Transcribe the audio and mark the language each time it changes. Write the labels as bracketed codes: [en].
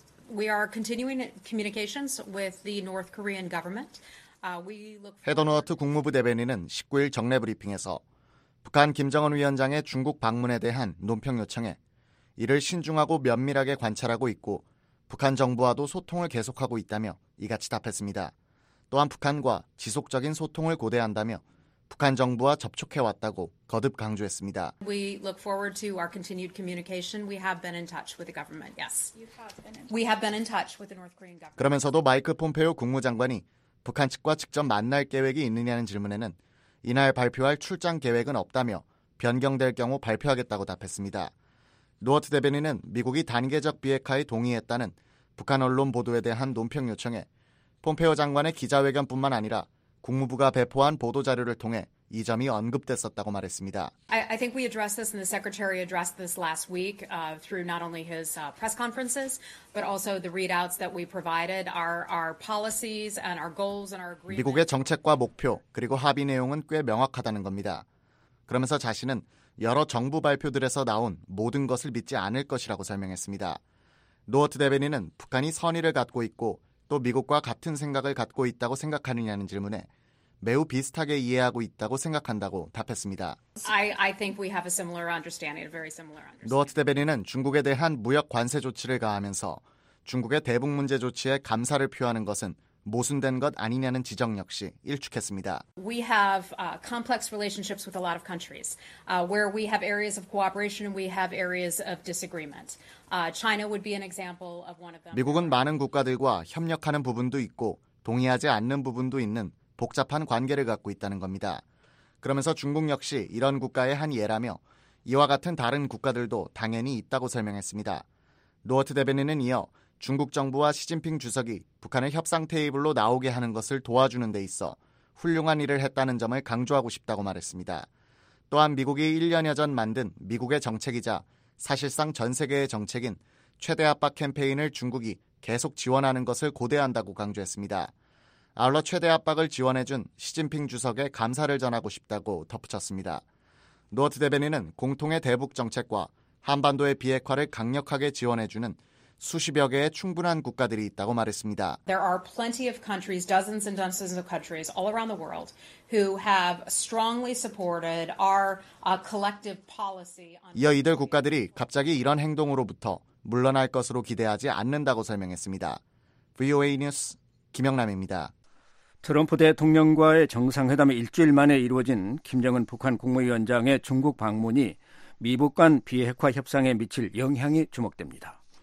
[en] We are continuing communications with the North Korean government. We look. [ko] 헤더노어트 국무부 대변인은 19일 정례 브리핑에서 북한 김정은 위원장의 중국 방문에 대한 논평 요청에 이를 신중하고 면밀하게 관찰하고 있고 북한 정부와도 소통을 계속하고 있다며 이같이 답했습니다. 또한 북한과 지속적인 소통을 고대한다며 북한 정부와 접촉해왔다고 거듭 강조했습니다. [en] We look forward to our continued communication. We have been in touch with the government. Yes. We have been in touch with the North Korean government. [ko] 그러면서도 마이크 폼페오 국무장관이 북한 측과 직접 만날 계획이 있느냐는 질문에는 이날 발표할 출장 계획은 없다며 변경될 경우 발표하겠다고 답했습니다. 노어트 대변인은 미국이 단계적 비핵화에 동의했다는 북한 언론 보도에 대한 논평 요청에 폼페오 장관의 기자회견뿐만 아니라 국무부가 배포한 보도자료를 통해 이 점이 언급됐었다고 말했습니다. [en] I think we addressed this and the secretary addressed this last week through not only his press conferences but also the readouts that we provided our policies and our goals and our agreement. [ko] 미국의 정책과 목표 그리고 합의 내용은 꽤 명확하다는 겁니다. 그러면서 자신은 여러 정부 발표들에서 나온 모든 것을 믿지 않을 것이라고 설명했습니다. 노어트 대변인은 북한이 선의를 갖고 있고 또 미국과 같은 생각을 갖고 있다고 생각하느냐는 질문에 매우 비슷하게 이해하고 있다고 생각한다고 답했습니다. [en] I think we have a similar understanding, a very similar understanding. [ko] 노어트 대변인은 중국에 대한 무역 관세 조치를 가하면서 중국의 대북 문제 조치에 감사를 표하는 것은 모순된 것 아니냐는 지적 역시 일축했습니다. [en] We have complex relationships with a lot of countries where we have areas of cooperation and we have areas of disagreement. China would be an example of one of them. [ko] 미국은 많은 국가들과 협력하는 부분도 있고 동의하지 않는 부분도 있는 복잡한 관계를 갖고 있다는 겁니다. 그러면서 중국 역시 이런 국가의 한 예라며 이와 같은 다른 국가들도 당연히 있다고 설명했습니다. 노어트 대변인은 이어 중국 정부와 시진핑 주석이 북한을 협상 테이블로 나오게 하는 것을 도와주는 데 있어 훌륭한 일을 했다는 점을 강조하고 싶다고 말했습니다. 또한 미국이 1년여 전 만든 미국의 정책이자 사실상 전 세계의 정책인 최대 압박 캠페인을 중국이 계속 지원하는 것을 고대한다고 강조했습니다. 아울러 최대 압박을 지원해준 시진핑 주석에 감사를 전하고 싶다고 덧붙였습니다. 노어트 대변인은 공통의 대북 정책과 한반도의 비핵화를 강력하게 지원해주는 수십여 개의 충분한 국가들이 있다고 말했습니다. [en] There are plenty of countries, dozens and dozens of countries all around the world who have strongly supported our collective policy. [ko] 이어 이들 국가들이 갑자기 이런 행동으로부터 물러날 것으로 기대하지 않는다고 설명했습니다. VOA 뉴스 김영남입니다. 트럼프 대통령과의 정상회담이 일주일 만에 이루어진 김정은 북한 국무위원장의 중국 방문이 미북 간 비핵화 협상에 미칠 영향이 주목됩니다.